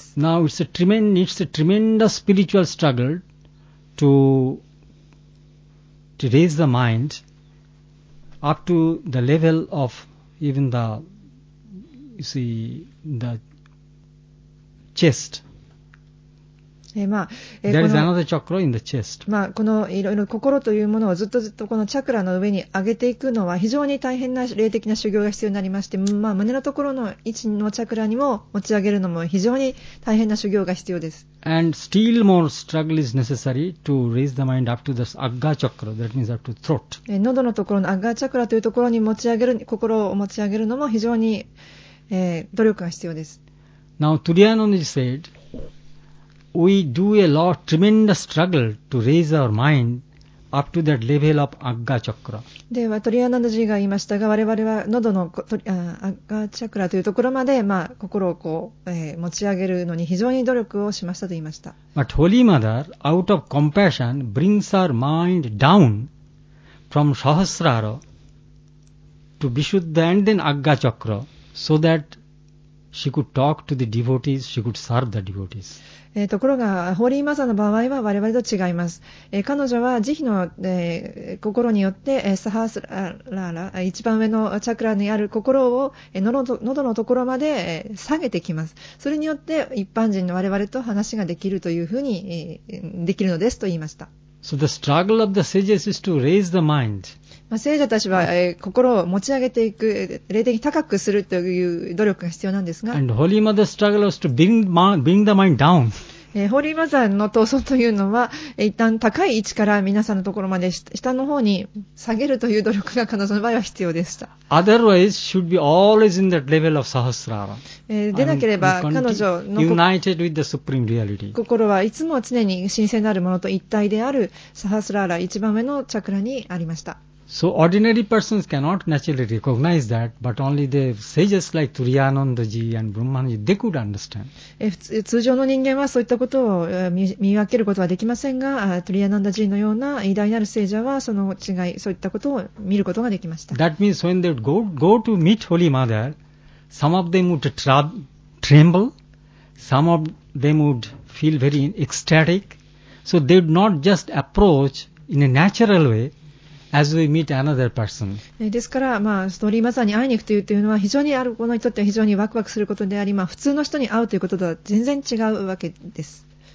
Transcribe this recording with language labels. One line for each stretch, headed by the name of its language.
English: Now it's a tremendous spiritual struggle to raise the mind up to the level of even the, you see, the.
Japanese: このいろいろ心というものをずっとずっとこのチャクラの上に上げていくのは非常に大変な霊的な修行が必要になりまして、胸のところの位置のチャクラにも持ち上げるのも非常に大変な修行が必要です。
English: And still more struggle is necessary to raise the mind up to the agga chakra, that means up to throat.
Japanese: 喉のところのアッガーチャクラというところに持ち上げる心を持ち上げるのも非常に、努力が必要です。
English: Now, Turiyananda said, we do a lot, tremendous struggle to raise our mind up to that level of Agga Chakra.
Japanese: では、Turiyananda ji が言いましたが、我々は喉のAgga Chakraというところまで、心をこう、持ち上げるのに非常に努力をしましたと言いました。
English: But Holy Mother, out of compassion, brings our mind down from Sahasrara to Vishuddha and then Agga Chakra, so that... She could talk to the devotees, she could serve the devotees.
Japanese: ところが、ホーリーマザーの場合は我々と違います。彼女は慈悲の、心によって、サハスラーラ、一番上のチャクラにある心を、喉のところまで、下げてきます。それによって、一般人の我々と話ができるというふうに、できるのですと言いました。
English: So the struggle of the sages is to raise the mind.
Japanese: 聖者たちは、心を持ち上げていく、霊的に高くするという努力が必要なんですが。
English: And Holy Mother struggle was to bring the mind down.
Japanese: ホーリーマザーの闘争というのは、一旦高い位置から皆さんのところまで下の方に下げるという努力が彼女の場合は必要でした。
English: Otherwise, should be always in that level of Sahasrara.
Japanese: でなければ彼女の
English: United with the Supreme Reality.
Japanese: 心はいつも常に神聖なるものと一体であるサハスラーラ、一番上のチャクラにありました。
English: So ordinary persons cannot naturally recognize that, but only the sages like Turiyanandaji and Brahmanandaji, they could understand.
Japanese: 通常の人間はそういったことを見分けることはできませんが、トリアナンダジーのような偉大なる聖者はその違い、そういったことを見ることができました。
English: That means when they go to meet Holy Mother, some of them would tremble, some of them would feel very ecstatic. So they would not just approach in a natural way,As we meet another person.
Japanese: ですから、まあ、ストーリーマザーに会いに行くというのは非常にある子にとっては非常にワクワクすることであり、まあ、普通の人に会うということとは全然違うわけです。